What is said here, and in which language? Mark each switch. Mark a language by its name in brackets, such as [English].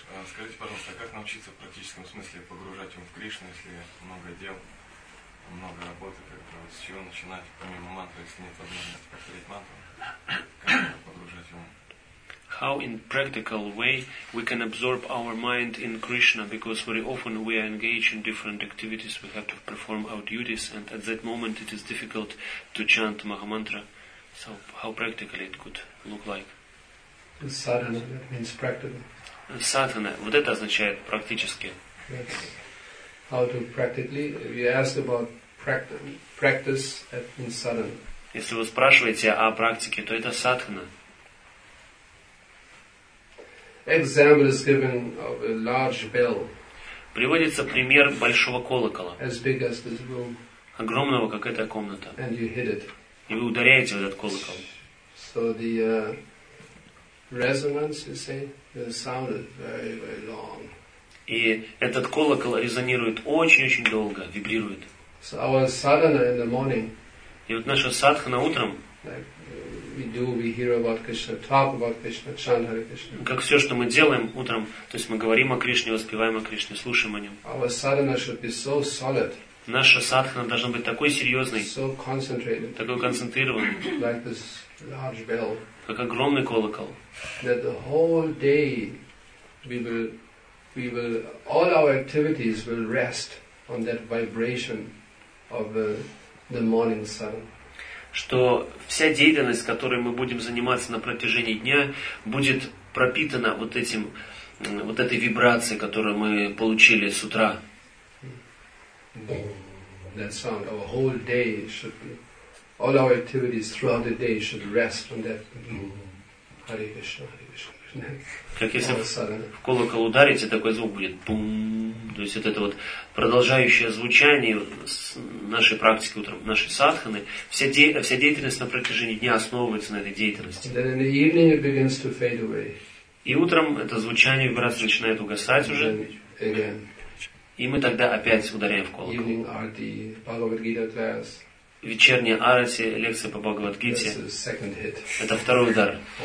[Russian] Скажите, пожалуйста, как научиться в практическом смысле погружать ум в Кришну, если много дел, много работы, как бы, вот с чего начинать, помимо мантры, если нет возможности повторить мантру, как погружать ум? [English] How in practical way we can absorb our mind in Krishna, because very often we are engaged in different activities, we have to perform our duties, and at that moment it is difficult to chant Maha Mantra. So how practically it could look like? Sadhana, that means practical. [Russian] Садхана. Вот это означает практически. [English] How to practically? If you ask about practice, that means sadhana. [Russian] Если вы спрашиваете о практике, то это садхана. [English] Example is given of a large bell. [Russian] Приводится пример большого колокола. [English] As big as this room. [Russian] Огромного, как эта комната. [English] And you hit it. [Russian] И вы ударяете в этот колокол. [English] So the resonance, you say, sounded very, very long. [Russian] И этот колокол резонирует очень-очень долго, вибрирует. [English] So our sadhana in the morning. [Russian] И вот наша садхана утром. [English] Like we do, we hear about Krishna, talk about Krishna, chant Hare Krishna. [Russian] Как все, что мы делаем утром, то есть мы говорим о Кришне, воспеваем о Кришне, слушаем о нем. [English] Our sadhana should be so solid. [Russian] Наша садхана должна быть такой серьезной, [English] so concentrated, [Russian] такой концентрированной, [English] like this large bell. [Russian] Как огромный колокол. [English] That the whole day we will all our activities will rest on that vibration of the morning sun. [Russian] Что вся деятельность, которой мы будем заниматься на протяжении дня, будет пропитана вот этим, вот этой вибрацией, которую мы получили с утра. [English] That sound, our whole day should be. All our activities throughout the day should rest on that. Hare Krishna, Hare Krishna, Krishna. [Russian] Как если в колокол ударите, такой звук будет бум. То есть вот это вот продолжающее звучание нашей практики утром, нашей садханы, вся деятельность на протяжении дня основывается на этой деятельности. [English] And then in the evening it begins to fade away. [Russian] И утром это звучание вибрации начинает угасать уже. [English] Again. [Russian] И мы тогда опять ударяем в колокол. [English] Evening arti, Bhagavad Gita class. [Russian] Вечерняя арати, лекция по Бхагавад-гите. Это второй удар.